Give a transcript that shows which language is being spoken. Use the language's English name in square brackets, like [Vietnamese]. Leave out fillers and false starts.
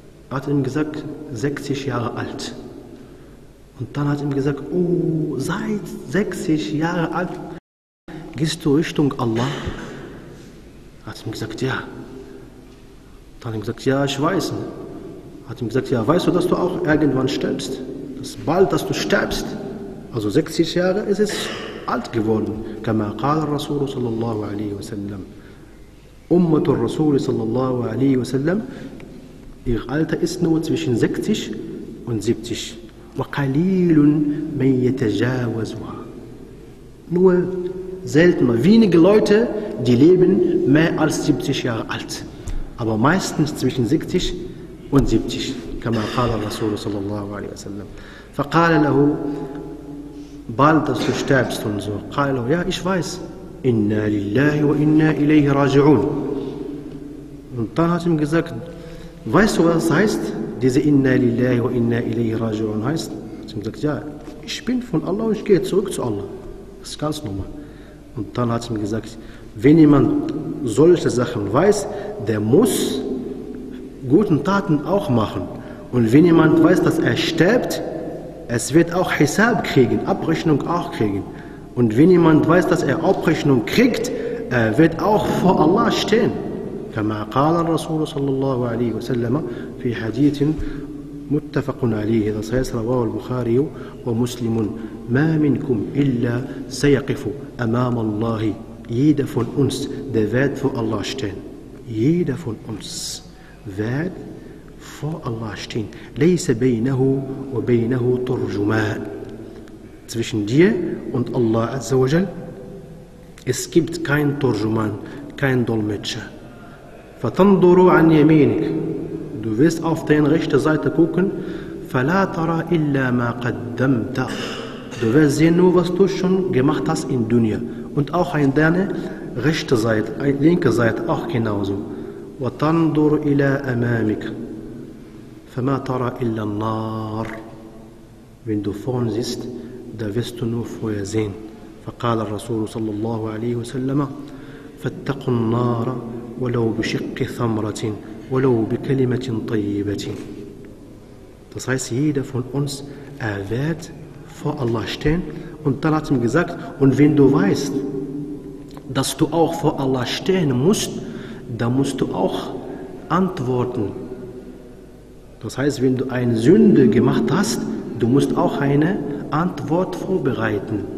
[German] Er hat ihm gesagt, 60 Jahre alt. Und dann hat ihm gesagt, oh, seit 60 Jahre alt gehst du Richtung Allah? Er hat ihm gesagt, ja. Dann hat ihm gesagt, ja, ich weiß. Er hat ihm gesagt, ja, weißt du, dass du auch irgendwann stirbst? Dass bald, dass du stirbst. Also 60 Jahre ist es alt geworden. [Arabic] كما قال الرسول صلى الله عليه وسلم أمة الرسول صلى الله عليه وسلم [German] ihr Alter ist nur zwischen 60 und 70 [Arabic] وقليل من يتجاوزها. [German] Nur seltener, wenige Leute, die leben mehr als 70 Jahre alt. Aber meistens zwischen 60 und 70 [Arabic] كما قال الرسول صلى الله عليه وسلم. فقال له [German] bald, dass du sterbst und so. [Arabic] قال له, [German] ja, ich weiß. [Arabic] إِنَّا لِلَّهِ وَإِنَّا إِلَيْهِ رَاجِعُونَ. [German] Und dann hat ihm gesagt, weißt du, was das heißt? Diese [Arabic] inna lillahi wa inna ilayhi raji'un [German] heißt. Hat ihm gesagt, ja, ich bin von Allah und ich gehe zurück zu Allah. Das ist ganz normal. Und dann hat ihm gesagt, wenn jemand solche Sachen weiß, der muss guten Taten auch machen. Und wenn jemand weiß, dass er stirbt, es wird auch Hisab kriegen, Abrechnung auch kriegen. Und wenn jemand weiß, dass er Abrechnung kriegt, er wird auch vor Allah stehen. [Arabic] كما قال الرسول صلى الله عليه وسلم في حديث متفق عليه صحيح رواه البخاري ومسلم ما منكم إلا سيقف أمام الله [German] jeder von uns der wird vor Allah stehen [Arabic] jeder von uns wird vor Allah stehen ليس بينه وبينه ترجمان [German] zwischen dir und Allah عز وجل es gibt kein ترجمان kein Dolmetscher [Arabic] فتنظر عن يمينك. [German] Du wirst auf deine rechte Seite gucken. [Arabic] فلا ترى إلا ما قدمت. [German] Du wirst sehen nur, was du schon gemacht hast in الدنيا. Und auch in deine rechte Seite, linke Seite auch genauso. [Arabic] وتنظر إلى أمامك. فما ترى إلا النار. [German] Wenn du vorn siehst, da wirst du nur Feuer sehen. [Arabic] فقال الرسول صلى الله عليه وسلم فاتقوا النار ولو بشق ثمرة ولو بكلمة طيبة. [German] Das heißt, jeder von uns wird vor Allah stehen. Und dann hat ihm gesagt, und wenn du weißt, dass du auch vor Allah stehen musst, dann musst du auch antworten. Das heißt, wenn du eine Sünde gemacht hast, du musst auch eine Antwort vorbereiten.